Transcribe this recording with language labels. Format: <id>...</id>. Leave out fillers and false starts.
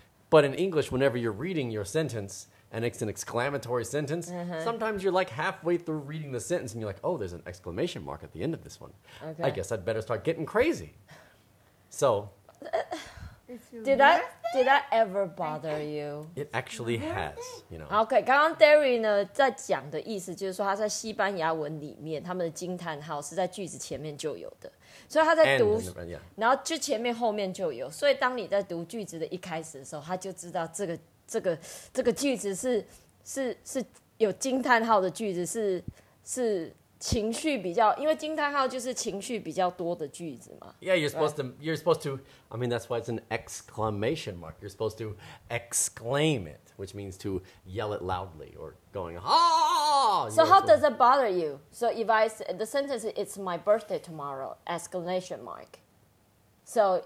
<en>But in English, whenever you're reading your sentence and it's an exclamatory sentence, sometimes you're like halfway through reading the sentence and you're like, oh, there's an exclamation mark at the end of this one. Okay. I guess I'd better start getting crazy. So... Did that ever bother you? It actually has, you know.</en> <zh>Okay, 刚刚 Derry 呢在讲的意思就是说，他在西班牙文里面，他们的惊叹号是在句子前面就有的，所以他在读，</zh> <en>yeah.</en> <zh>然后就前面后面就有，所以当你在读句子的一开始的时候，他就知道这个句子是有惊叹号的句子，是。情绪比较，因为惊叹号就是情绪比较多的句子嘛。</zh> <en>Yeah, you're supposed to. I mean, that's why it's an exclamation mark. You're supposed to exclaim it, which means to yell it loudly or going ah. So how does it bother you? So if I the sentence, it's my birthday tomorrow. Exclamation mark. So</en>